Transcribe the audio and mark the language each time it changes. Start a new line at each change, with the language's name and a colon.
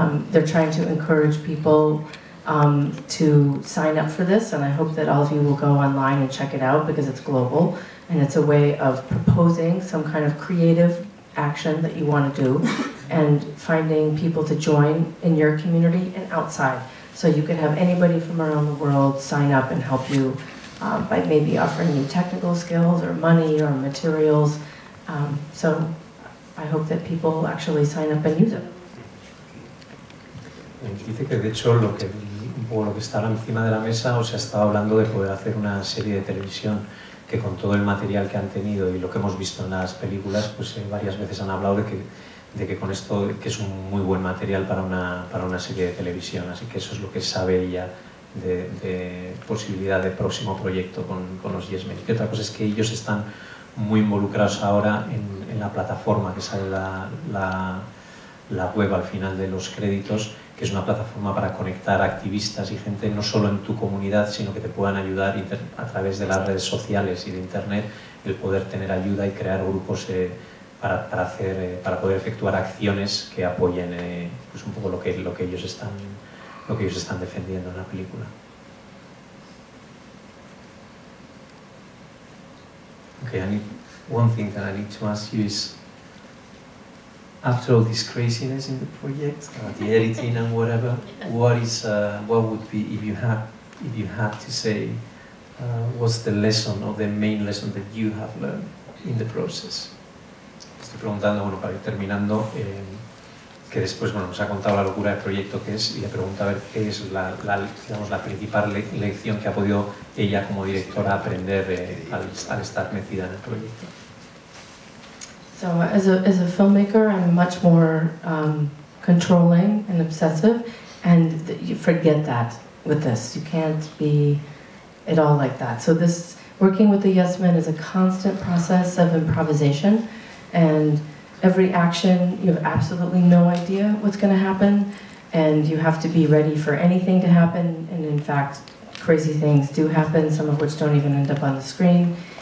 English: They're trying to encourage people to sign up for this, and I hope that all of you will go online and check it out because it's global, and it's a way of proposing some kind of creative action that you want to do and finding people to join in your community and outside. So you could have anybody from around the world sign up and help you by maybe offering you technical skills or money or materials. So I hope that people actually sign up and use it.
Spanish: Dice que de hecho lo que está encima de la mesa, o sea, estaba hablando de poder hacer una serie de televisión que con todo el material que han tenido y lo que hemos visto en las películas, pues varias veces han hablado de que con esto, que es un muy buen material para una serie de televisión, así que eso es lo que sabe ella de posibilidad de próximo proyecto con los Yes Men. Y otra cosa es que ellos están muy involucrados ahora en la plataforma que sale la web al final de los créditos, que es una plataforma para conectar activistas y gente no solo en tu comunidad, sino que te puedan ayudar a través de las redes sociales y de internet, el poder tener ayuda y crear grupos para poder efectuar acciones que apoyen pues un poco lo que ellos están defendiendo en la película.
English: Okay, one thing that I need to ask you is, after all this craziness in the project, the editing and whatever, what would be, if you had to say, what's the lesson or the main lesson that you have learned in the process?
Spanish: Estoy preguntando, bueno, para ir terminando, que después, bueno, nos ha contado la locura del proyecto que es, y le pregunto a ver qué es la principal lección que ha podido ella como directora aprender al estar metida en el proyecto.
English: So as a filmmaker, I'm much more controlling and obsessive, and you forget that with this. You can't be at all like that. So this working with the Yes Men is a constant process of improvisation, and every action, you have absolutely no idea what's going to happen, and you have to be ready for anything to happen, and in fact, crazy things do happen, some of which don't even end up on the screen.